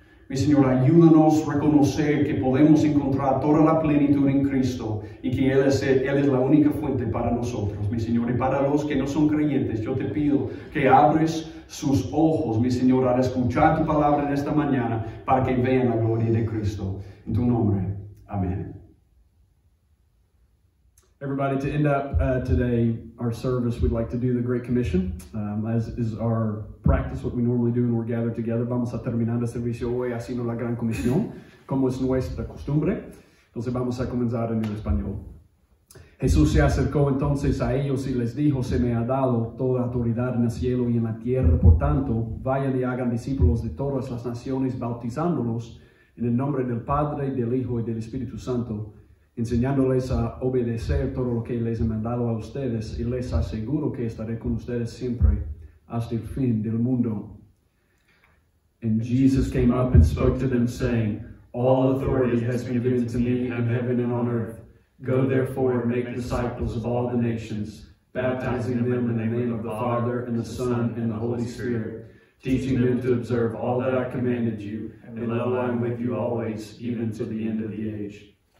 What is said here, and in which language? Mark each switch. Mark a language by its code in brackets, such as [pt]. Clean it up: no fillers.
[es] Mi Señor, ayúdanos a reconocer que podemos encontrar toda la plenitud en Cristo y que Él es la única fuente para nosotros, mi Señor. Y para los que no son creyentes, yo te pido que abres sus ojos, mi Señor, al escuchar tu palabra en esta mañana para que vean la gloria de Cristo. En tu nombre. Amén. [en] Everybody, to end up today, our service, we'd like to do the Great Commission, as is our practice, what we normally do when we're gathered together. [es] Vamos a terminar el servicio hoy haciendo la Gran Comisión, como es nuestra costumbre. Entonces vamos a comenzar en el español. Jesús se acercó entonces a ellos y les dijo, se me ha dado toda autoridad en el cielo y en la tierra. Por tanto, vayan y hagan discípulos de todas las naciones, bautizándolos en el nombre del Padre, del Hijo y del Espíritu Santo, enseñándoles a obedecer todo lo que les he mandado a ustedes, y les aseguro que estaré con ustedes siempre hasta el fin del mundo. [en] And Jesus came up and spoke to them, saying, all authority has been given to me in heaven and on earth. Go therefore and make disciples of all the nations, baptizing them in the name of the Father and the Son and the Holy Spirit, teaching them to observe all that I commanded you, and lo, I am with you always, even to the end of the age.